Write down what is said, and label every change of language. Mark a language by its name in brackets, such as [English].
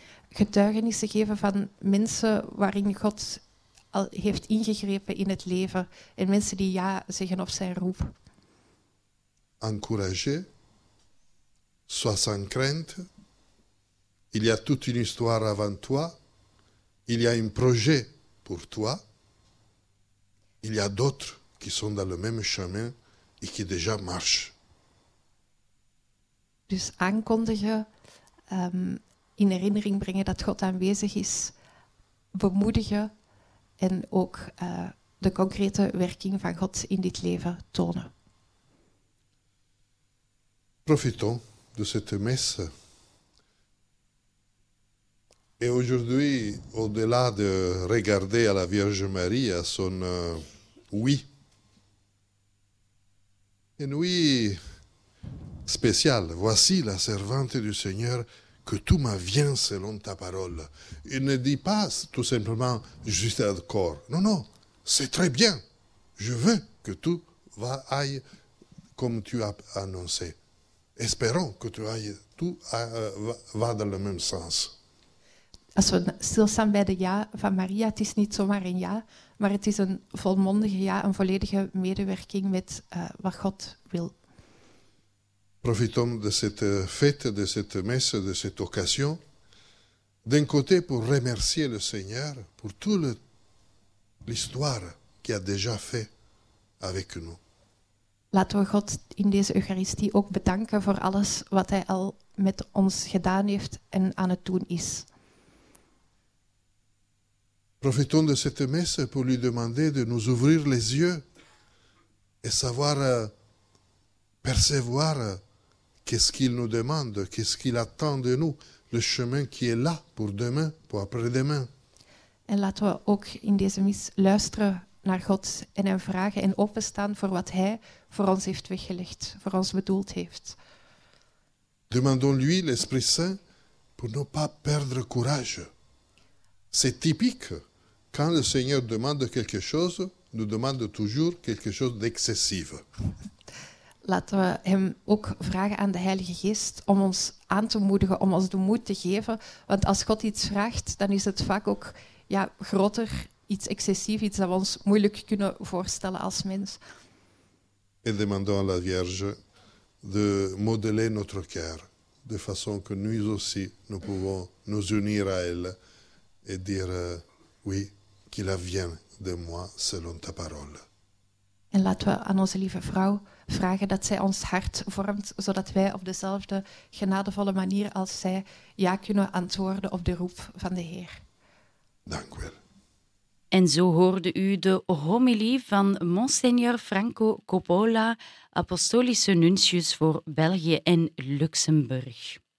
[Dutch] Getuigenissen geven van mensen waarin God al heeft ingegrepen in het leven en mensen die ja zeggen of zijn roep. [French] Encourager, Sois sans crainte. Il y a toute une histoire avant toi. Il y a un projet pour toi. Il y a d'autres qui sont dans le même chemin et qui déjà marchent. [Dutch] Dus aankondigen, in herinnering brengen dat God aanwezig is, bemoedigen en ook de concrete werking van God in dit leven tonen. [French] Profitons de cette messe. Et aujourd'hui, au-delà de regarder à la Vierge Marie, à son oui, une oui spéciale. Voici la servante du Seigneur, que tout m'advienne selon ta parole. Il ne dit pas tout simplement « je suis d'accord ». Non, non, c'est très bien. Je veux que tout va aille comme tu as annoncé. Espérons que tu ailles, tout va dans le même sens. [Dutch] Als we stilstaan bij de ja van Maria, het is niet zomaar een ja, maar het is een volmondige ja, een volledige medewerking met wat God wil. [French] Profitons de cette fête, de cette messe, de cette occasion, d'un côté pour remercier le Seigneur pour toute l'histoire qu'il a déjà fait avec nous. [Dutch] Laten we God in deze Eucharistie ook bedanken voor alles wat Hij al met ons gedaan heeft en aan het doen is. [French] Profitons de cette messe pour lui demander de nous ouvrir les yeux et savoir percevoir qu'est-ce qu'il nous demande, qu'est-ce qu'il attend de nous, le chemin qui est là pour demain, pour après-demain. [Dutch] En laten we ook in deze mis luisteren naar God en hem vragen en openstaan voor wat hij voor ons heeft weggelegd, voor ons bedoeld heeft. [French] Demandons-lui l'Esprit Saint pour ne pas perdre courage. C'est typique. Quand le Seigneur demande quelque chose, nous demande toujours quelque chose d'excessif. [Dutch] Laten we hem ook vragen aan de Heilige Geest om ons aan te moedigen, om ons de moed te geven. Want als God iets vraagt, dan is het vaak ook ja, groter, iets excessief, iets dat we ons moeilijk kunnen voorstellen als mens. [French] En demandons à la Vierge de modeler notre cœur, de façon que nous aussi nous pouvons nous unir à elle et dire... Oui, qu'il advienne de moi selon ta parole. [Dutch] En laten we aan onze lieve vrouw vragen dat zij ons hart vormt, zodat wij op dezelfde genadevolle manier als zij ja kunnen antwoorden op de roep van de Heer. Dank u wel. En zo hoorde u de homilie van Monseigneur Franco Coppola, apostolische nuncius voor België en Luxemburg.